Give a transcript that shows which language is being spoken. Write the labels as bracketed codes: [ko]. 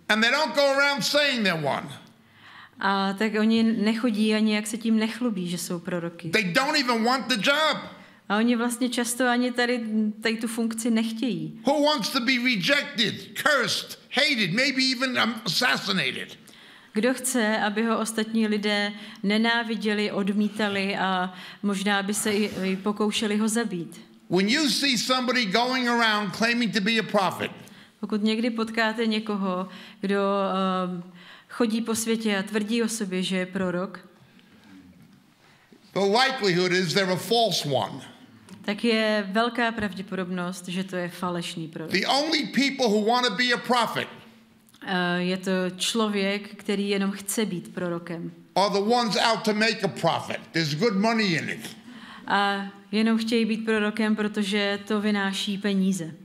[en] And they don't go around saying they're one. [cs] A tak oni nechodí ani jak se tím nechlubí, že jsou proroky. [en] They don't even want the job. [cs] A oni vlastně často ani tady tu funkci nechtějí. [en] Who wants to be rejected, cursed, hated, maybe even assassinated? [cs] Kdo chce, aby ho ostatní lidé nenáviděli, odmítali a možná by se i pokoušeli ho zabít? [en] When you see somebody going around claiming to be a prophet, [cs] pokud někdy potkáte někoho, kdo chodí po světě a tvrdí o sobě, že je prorok, [en] the likelihood is they're a false one. [cs] Tak je velká pravděpodobnost, že to je falešný prorok. [en] The only people who want to be a prophet. [cs] Je to člověk, který jenom chce být prorokem. [en] Are the ones out to make a profit. There's good money in it. [cs] A jenom chtějí být prorokem, protože to vynáší peníze.